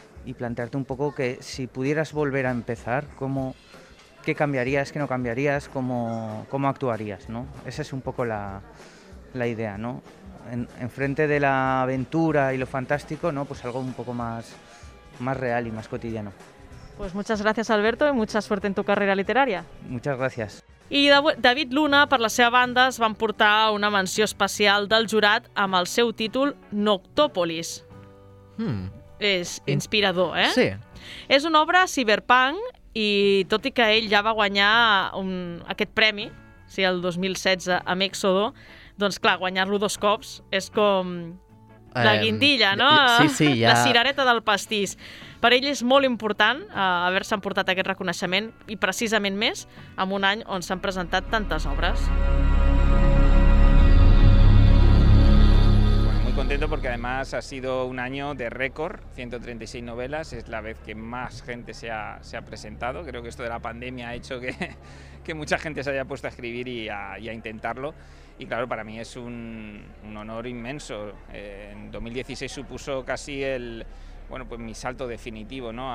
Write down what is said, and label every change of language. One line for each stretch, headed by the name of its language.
Spanish: Y plantearte un poco que si pudieras volver a empezar, ¿cómo, qué cambiarías, qué no cambiarías, cómo actuarías, ¿no? Esa es un poco la idea, ¿no? En frente de la aventura y lo fantástico, ¿no? Pues algo un poco más real y más cotidiano. Pues muchas gràcies, Alberto, i mucha suerte en tu carrera literària. Muchas gracias.
Catalan: I David Luna, per la seva banda, es va emportar una menció especial del jurat amb el seu títol Noctòpolis. És inspirador, eh? Sí. És una obra cyberpunk i tot i que ell ja va guanyar aquest premi, sí, el 2016, amb Éxodo, doncs clar, guanyar-lo dos cops és com...
Spanish: La guindilla, no?
Catalan: Sí, ja. La cirereta del pastís. Per ell és molt important haver-se emportat aquest reconeixement i precisament més en un any on s'han presentat tantes obres.
Spanish: Bueno, muy contento porque además ha sido un año de récord, 136 novelas, es la vez que más gente se ha presentado. Creo que esto de la pandemia ha hecho que mucha gente se haya puesto a escribir y a intentarlo. Y claro, para mí es un honor inmenso. En 2016 supuso casi mi salto definitivo, ¿no?